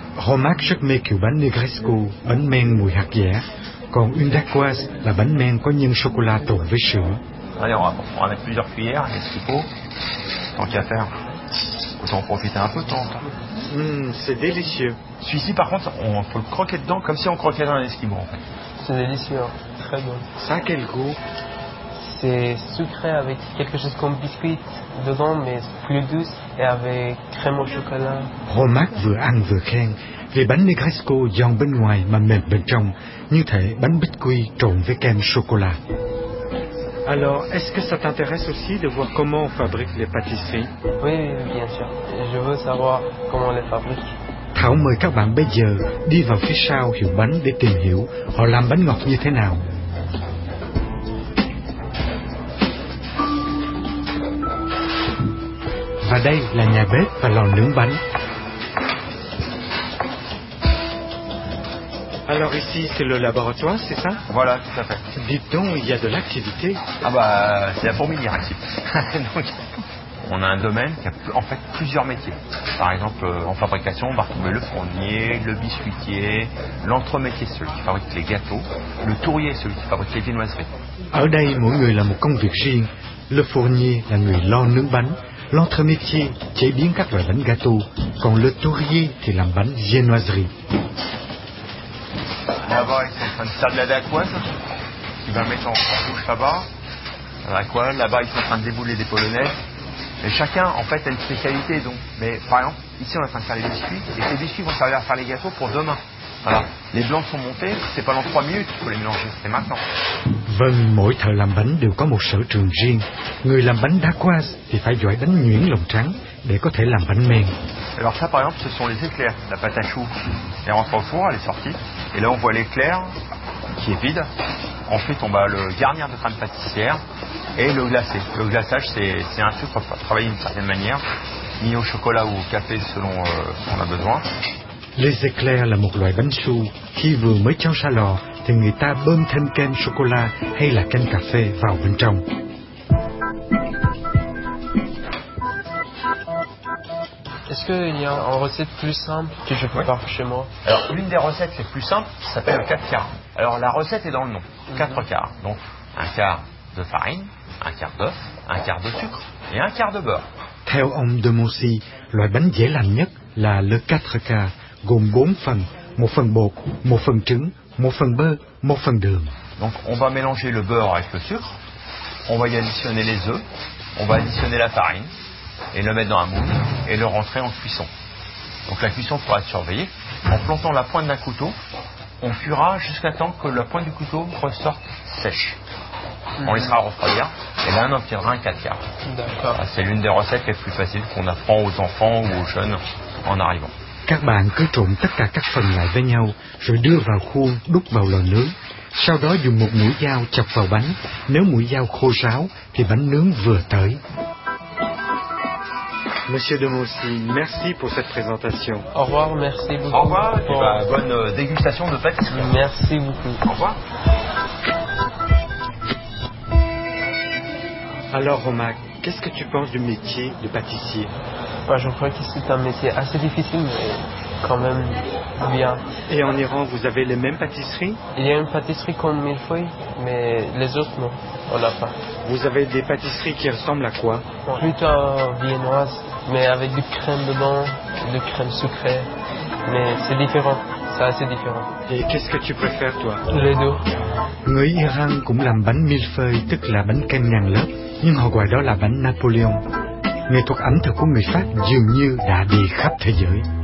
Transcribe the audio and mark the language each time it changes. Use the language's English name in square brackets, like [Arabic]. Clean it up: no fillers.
[Vietnamese] Romac, [French] chaque mec qui [Vietnamese] bánh Negresco, bánh men mùi hạt dẻ. Còn une dacquoise là bánh men có nhân chocolat trộn với sữa. [French] Allez, on va mettre plusieurs cuillères, qu'est-ce qu'il faut? Tant qu'à faire. Autant profiter un peu de temps. C'est délicieux. Celui-ci, par contre, on peut le croquer dedans comme si on croquait dans un esquimau. C'est délicieux. Très bon. Ça a quel goût? C'est sucré avec quelque chose comme biscuit dedans, mais plus douce et avec crème au chocolat. [Vietnamese] Romac vừa ăn vừa khen. Vì bánh Negresco giòn bên ngoài mà mềm bên trong, như thể bánh bích quy trộn với kem chocolat. [French] Alors, est-ce que ça t'intéresse aussi de voir comment on fabrique les pâtisseries? Oui, bien sûr. Je veux savoir comment on les fabrique. [Vietnamese] Thảo mời các bạn bây giờ đi vào phía sau hiệu bánh để tìm hiểu họ làm bánh ngọt như thế nào. Và đây là nhà bếp và lò nướng bánh. [French] Alors ici, c'est le laboratoire, c'est ça? Voilà, tout à fait. Dites donc, il y a de l'activité. Ah bah, c'est la fourmilière ici. Donc, On a un domaine qui a en fait plusieurs métiers. Par exemple, en fabrication, on va retrouver le fournier, le biscuitier, l'entremetteur, celui qui fabrique les gâteaux, le tourrier, celui qui fabrique les viennoiseries. [Vietnamese] Ở đây, mỗi người làm một công việc riêng. Le fournier là người lo nướng bánh, l'entremetteur chế biến các loại bánh gâteau, còn le tourrier thì làm bánh viennoiserie. [French] Là-bas, ils sont en train de faire de la dacquoise. Tu vas mettre en douche là-bas. Là-bas, ils sont en train de débouler des polonaises. Et chacun, en fait, a une spécialité. Donc, mais par exemple, ici, on est en train de faire les biscuits. Et ces biscuits vont servir à faire les gâteaux pour demain. Voilà. Les blancs sont montés. C'est pas dans 3 minutes qu'il faut les mélanger. C'est maintenant. [Vietnamese] Vâng, mỗi thợ làm bánh đều có một sở trường riêng. Người làm bánh đa qua thì phải giỏi bánh nhuyễn lòng trắng để có thể làm bánh mềm. [French] Alors ça, par exemple, ce sont les éclairs, la pâte à choux. Elle rentre au four, elle est sortie. Et là, on voit l'éclair qui est vide. Ensuite, on va le garnir de crème pâtissière et le glacer. Le glaçage, c'est un sucre travaillé d'une certaine manière, mis au chocolat ou au café selon qu'on a besoin. [Vietnamese] Les éclairs là một loại bánh xù khi vừa mới cho ra lò thì người ta bơm thêm kem chocolat hay là kem cà phê vào bên trong. [French] Est-ce qu'il y a une recette plus simple que je peux faire chez moi? Alors, l'une des recettes les plus simples s'appelle le 4 quarts. Alors, la recette est dans le nom. 4 quarts. Donc, un quart de farine, un quart d'œuf, un quart de sucre et un quart de beurre. [Vietnamese] Theo ông de Monsi, loại bánh dễ làm nhất là le 4 quarts, gồm 4 phần, 1 phần bột, 1 phần trứng, 1 phần beurre, 1 phần đường. [French] Donc, on va mélanger le beurre avec le sucre, on va y additionner les œufs, on va additionner la farine, et le mettre dans un moule et le rentrer en cuisson. Donc la cuisson pourra être surveillée. En plantant la pointe d'un couteau, on cuira jusqu'à temps que la pointe du couteau ressorte sèche. On laissera refroidir et là on obtiendra un 4 quarts. D'accord. C'est l'une des recettes les plus faciles qu'on apprend aux enfants ou aux jeunes en arrivant. [Vietnamese] Các bạn cứ trộn tất cả các phần lại với nhau, rồi đưa vào khuôn, đút vào lò nướng. Sau đó dùng một mũi dao chọc vào bánh. Nếu mũi dao khô ráo thì bánh nướng vừa tới. [French] Monsieur de Monsi, merci pour cette présentation. Au revoir, merci beaucoup. Au revoir, et bon. Bonne dégustation de pâtisserie. Merci beaucoup. Au revoir. Alors, Romain, qu'est-ce que tu penses du métier de pâtissier? Bah, je crois que c'est un métier assez difficile, mais quand même bien. Et en Iran, vous avez les mêmes pâtisseries? Il y a une pâtisserie comme millefeuille, mais les autres, non, on l'a pas. Vous avez des pâtisseries qui ressemblent à quoi? Plutôt viennoise, mais avec du crème dedans, du crème sucrée. Mais c'est différent, c'est assez différent. Et qu'est-ce que tu préfères, toi? Les deux. [Vietnamese] Người Iran cũng làm bánh millefeuille, tức là bánh kem ngàn lớp, nhưng họ gọi đó là bánh Napoleon. Nghệ thuật ẩm thực của người Pháp dường như đã đi khắp thế giới.